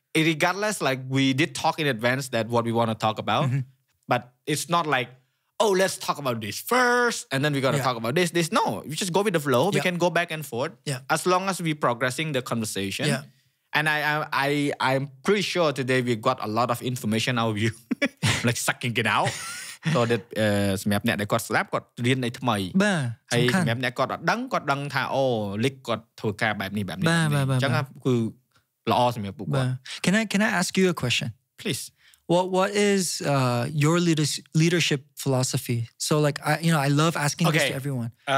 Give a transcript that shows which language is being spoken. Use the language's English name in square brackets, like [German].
[English] Regardless, like we did talk in advance that what we want to talk about, mm-hmm. but it's not like, oh, let's talk about this first, and then we gotta talk about this. No, we just go with the flow. Yeah. We can go back and forth. Yeah. As long as we progressing the conversation. Yeah. And I'm pretty sure today we got a lot of information out of you, like sucking it out. So that [Khmer] សម្រាប់អ្នកដែលគាត់ស្ដាប់គាត់រៀនអីថ្មី បាទ ហើយសម្រាប់អ្នកគាត់អត់ដឹងគាត់ដឹងថាអូលីកគាត់ធ្វើការបែបនេះបែបនេះអញ្ ចឹងគឺល្អសម្រាប់ពួកគា [English] ត់ Can I ask you a question? Please. What is your leadership philosophy? So like I love asking this to everyone.